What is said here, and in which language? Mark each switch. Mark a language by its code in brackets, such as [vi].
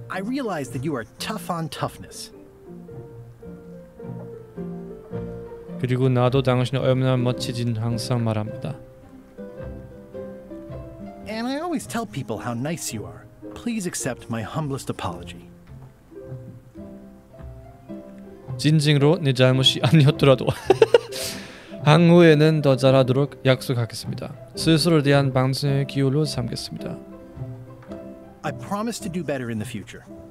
[en] I realize that you are tough on toughness. [ko] 그리고 나도 당신이 얼마나 멋지진 항상 말합니다. [en] And I always tell people how nice you are. Please accept my humblest apology. [ko] 진정으로 내 잘못이 아니었더라도 향후에는 더 잘하도록 약속하겠습니다. 스스로에 대한 반성의 기울로 삼겠습니다. [en] I promise to do better in the future.